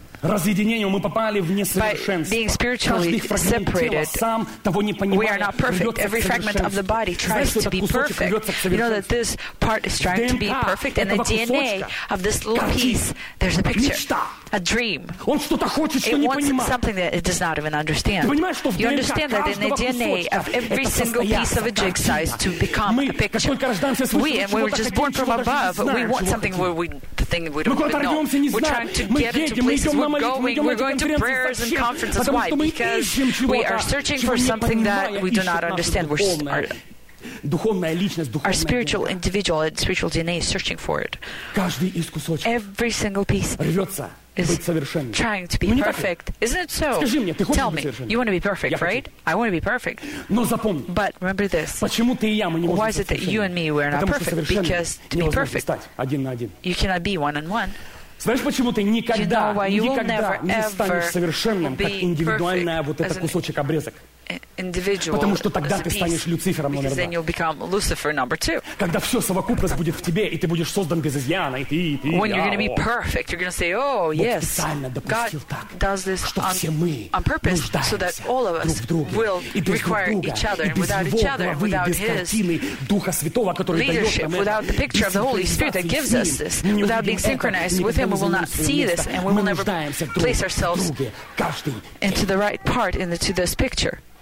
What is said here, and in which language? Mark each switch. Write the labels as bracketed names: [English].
[Russian] разъединением мы попали в несовершенство. [English] Being spiritually separated, [Russian] сам того не понимая, [English] we are not perfect. Every fragment of the body tries to be perfect. You know that this part is trying to be perfect, and the DNA of this little piece, there's a picture, a dream. [Russian] Он что-то хочет, что не понимает. [English] It wants something that it does not even understand. You understand that in the DNA of every single piece of a jigsaw is to become a picture. We, and we were just born from above, we want something where we, the thing we don't even know. We're trying to get it to places. We're going to prayers and conferences. Why? Because we are searching for something that we do not understand. Our spiritual individual and spiritual DNA is searching for it. Every single piece is trying to be perfect. Isn't it so? Tell me, you want to be perfect, right? I want to be perfect. But remember this. Why is it that you and me, we're not perfect? Because to be perfect, you cannot be one on one. [Russian] Знаешь, почему ты никогда, никогда не станешь совершенным, как индивидуальная вот эта кусочек обрезок? Потому что тогда ты станешь Люцифером номер два. Когда все совокупность будет в тебе, и ты будешь создан без изъяна, и ты, и ты, [English] when you're going to be perfect, you're going to say, oh, yes. [Russian] Бог специально допустил так, что все мы нуждаемся друг в друге. И без друг друга, и без его главы, без картины Духа Святого, который дает нам это, без синхронизации с ним, [English] without being synchronized with him, we will not see this, and we will never place ourselves into the right part, into this picture.